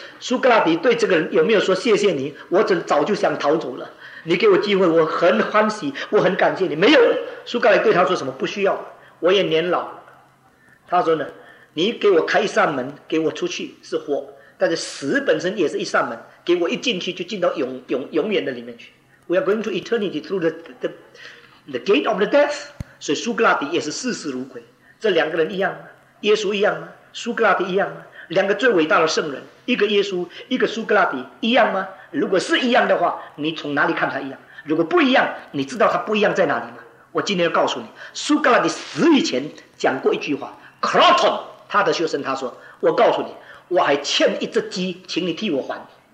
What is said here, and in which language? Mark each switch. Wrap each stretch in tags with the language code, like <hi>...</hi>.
<zh>苏格拉底对这个人有没有说谢谢你，我早就想逃走了，你给我机会我很欢喜，我很感谢你。没有，苏格拉底对他说什么，不需要，我也年老了。他说呢，你给我开一扇门给我出去是活，但是死本身也是一扇门，给我一进去就进到 永远的里面去。</zh> <en>We are going to eternity through the gate of the death。</en> <zh>所以苏格拉底也是视死如归，这两个人一样，耶稣一样，苏格拉底一样，两个最伟大的圣人，一个耶稣一个苏格拉底，一样吗？如果是一样的话，你从哪里看他一样？如果不一样，你知道他不一样在哪里吗？我今天要告诉你，苏格拉底死以前讲过一句话， Croton 他的学生，他说，我告诉你，我还欠一只鸡，请你替我还。</zh>